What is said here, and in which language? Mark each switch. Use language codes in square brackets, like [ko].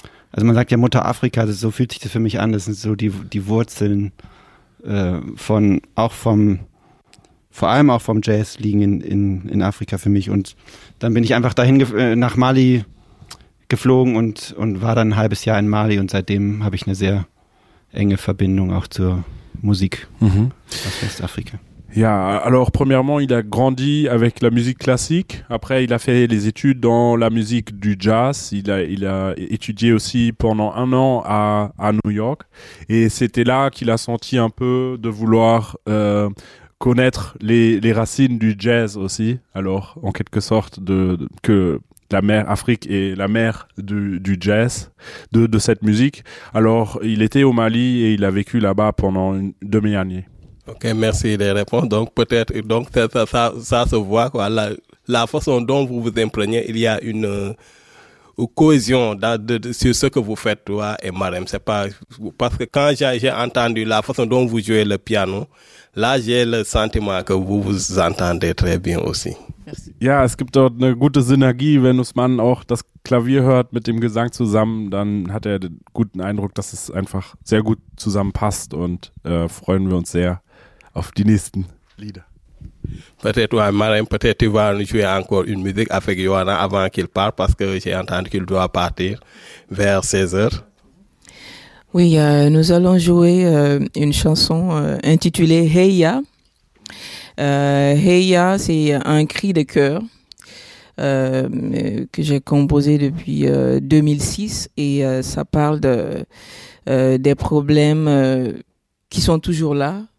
[de] Also man sagt ja Mutter Afrika, das ist, so fühlt sich das für mich an. Das sind so die Wurzeln von auch vom vor allem auch vom Jazz liegen in Afrika für mich. Und dann bin ich einfach dahin nach Mali geflogen und war dann ein halbes Jahr in Mali und seitdem habe ich eine sehr enge Verbindung auch zur Musik aus Westafrika. [fr] Ja, alors premièrement, il a grandi avec la musique classique. Après, il a fait les études dans la musique du jazz. Il a étudié aussi pendant un an à New York. Et c'était là qu'il a senti un peu de vouloir connaître les racines du jazz aussi. Alors, en quelque sorte, que la mère Afrique est la mère du jazz, de cette musique. Alors, il était au Mali et il a vécu là-bas pendant une demi-année. Ok, merci de répondre. Donc peut-être, donc ça se voit quoi. La façon dont vous vous imprégnez, il y a une cohésion sur ce que vous faites toi et Mariam. C'est pas parce que quand j'ai entendu la façon dont vous jouez le piano, là j'ai le sentiment que vous vous entendez très bien aussi. Merci. [de] Ja, es gibt dort eine gute Synergie, wenn Usman auch das Klavier hört mit dem Gesang zusammen, dann hat er den guten Eindruck, dass es einfach sehr gut zusammenpasst und freuen wir uns sehr. auf die nächsten Lieder. [fr] Peut-être, ouais, Marin, peut-être tu vas nous jouer encore une musique avec Johanna avant qu'il parte, parce que j'ai entendu qu'il doit partir vers 16h. Oui, nous allons jouer une chanson intitulée « Heya ». « Heya », c'est un cri de cœur que j'ai composé depuis 2006 et ça parle de des problèmes qui sont toujours là.